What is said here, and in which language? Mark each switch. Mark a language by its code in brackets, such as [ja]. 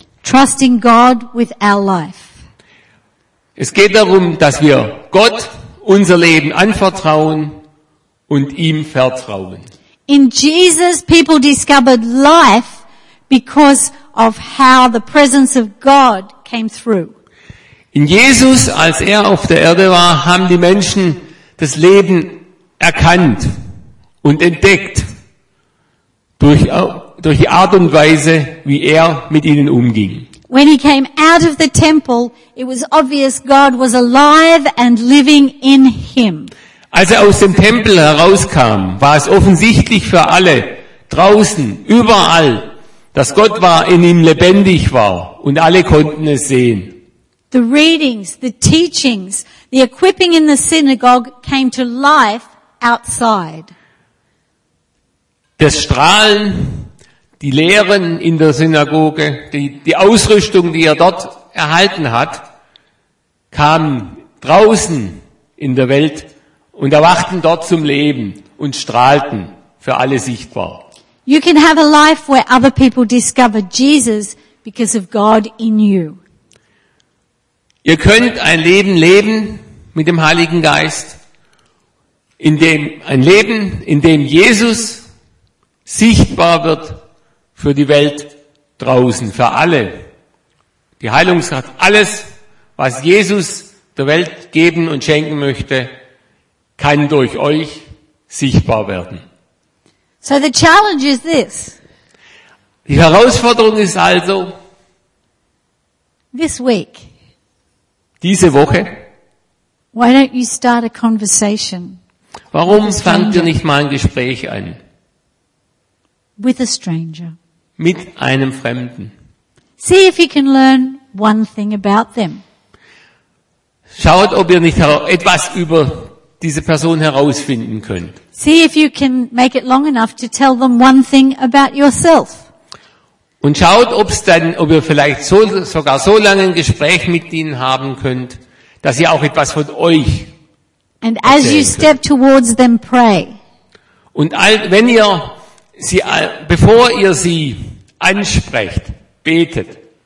[en] Trusting God with our life. [de] Es geht darum, dass wir Gott unser Leben anvertrauen und ihm vertrauen. [en] In Jesus people discovered life because of how the presence of God came through. [de] In Jesus, als er auf der Erde war, haben die Menschen das Leben erkannt und entdeckt durch die Art und Weise, wie er mit ihnen umging. [en] When he came out of the temple, it was obvious God was alive and living in him. [de] Als er aus dem Tempel herauskam, war es offensichtlich für alle draußen, überall, dass Gott war, in ihm lebendig war und alle konnten es sehen. [en] The readings, the teachings, the equipping in the synagogue came to life outside. [de] Das Strahlen, die Lehren in der Synagoge, die Ausrüstung, die er dort erhalten hat, kam draußen in der Welt und erwachten dort zum Leben und strahlten für alle sichtbar. [en] You can have a life where other people discover Jesus because of God in you. [de] Ihr könnt ein Leben leben mit dem Heiligen Geist, in dem Jesus sichtbar wird für die Welt draußen, für alle. Die Heilungskraft, alles, was Jesus der Welt geben und schenken möchte, kann durch euch sichtbar werden. [en] So the challenge is this. [de] Die Herausforderung ist also, [en] this week, [de] diese Woche, [en] why don't you start a conversation? [de] Warum fangt ihr nicht mal ein Gespräch an? [en] With a stranger. [de] Mit einem Fremden. [en] See if you can learn one thing about them. [de] Schaut, ob ihr nicht etwas über diese Person herausfinden könnt. [en] See if you can make it long enough to tell them one thing about yourself. [de] Und schaut, ob ihr vielleicht sogar so lange ein Gespräch mit ihnen haben könnt, dass ihr auch etwas von euch erzählen könnt. [en] And as you step towards them, pray. [de] Und wenn ihr sie, bevor ihr sie ansprecht, betet.